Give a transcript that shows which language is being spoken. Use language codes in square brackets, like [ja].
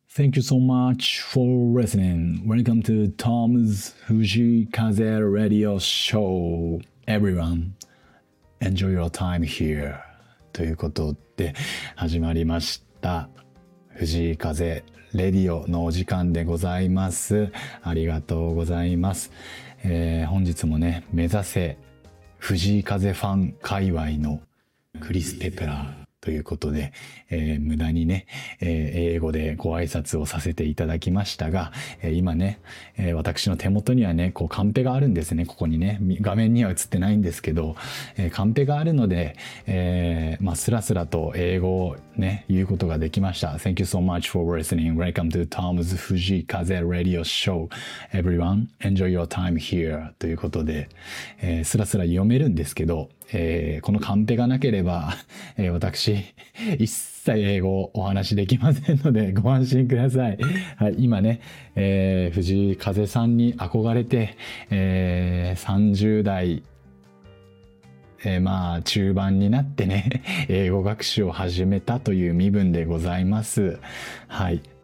[en] Thank you so much for listening. Welcome to Tom's Fujikaze Radio Show, everyone. Enjoy your time here. [ja] ということで始まりました。Fujikaze Radio のお時間でございます。ありがとうございます。本日もね、目指せ Fujikaze ファン界隈のクリス・ペプラー。ということで、無駄にね、英語でご挨拶をさせていただきましたが、今ね、私の手元にはね、こうカンペがあるんですね。ここにね、画面には映ってないんですけど、カンペがあるので、まあ、スラスラと英語をね、言うことができました。 [en] Thank you so much for listening. Welcome to Tom's Fujikaze Radio Show. Everyone, enjoy your time here. [ja] ということで、スラスラ読めるんですけど、このカンペがなければ、私一切英語をお話しできませんのでご安心ください。はい、今ね、藤井風さんに憧れて、30代、まあ中盤になってね英語学習を始めたという身分でございます。はい。